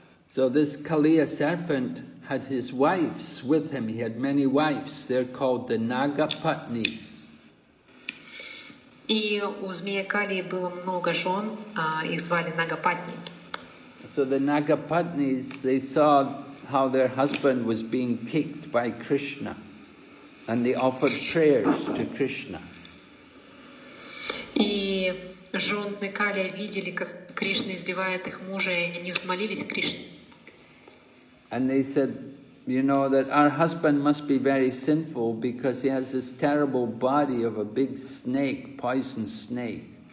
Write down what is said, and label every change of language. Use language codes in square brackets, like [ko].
[en] So this Kaliya serpent had his wives with him. He had many wives. They're called the Nagapatnis. [ru] И у змея Калии было много жен, их звали Нагапатни. [en] So the Nagapatnis, they saw how their husband was being kicked by Krishna. And they offered prayers to Krishna. [ru] И жены Калия видели, как Кришна избивает их мужа, и они взмолились Кришне. [en] And they said, you know, that our husband must be very sinful because he has this terrible body of a big snake, poison snake.